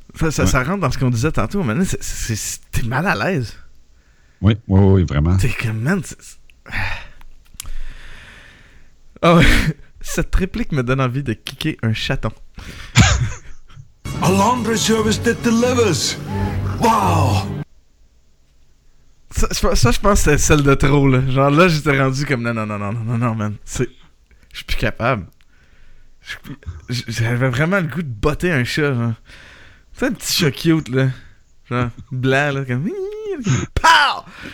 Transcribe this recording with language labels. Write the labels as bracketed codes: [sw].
[fr] Ça rentre dans ce qu'on disait tantôt. Mais là, t'es mal à l'aise. Oui, oui, oui, vraiment. T'es comme, man, oh, cette réplique me donne envie de kicker un chaton. [en] A laundry service that delivers. Wow. [fr] Ça, je pense que c'était celle de trop, là. Genre là, j'étais rendu comme non, man. C'est... Je suis plus capable. J'avais vraiment le goût de botter un chat, genre. C'est un petit chat cute, là. Genre, blanc, là, comme... Pow!